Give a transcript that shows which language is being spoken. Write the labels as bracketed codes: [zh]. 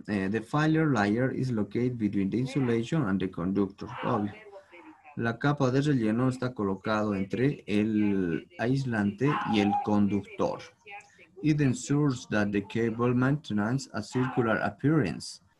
[en] The fire layer is located between the insulation and the conductor. [es] Obvio. La capa de relleno está colocado entre el aislante y el conductor. [en] It ensures that the cable maintains a circular appearance.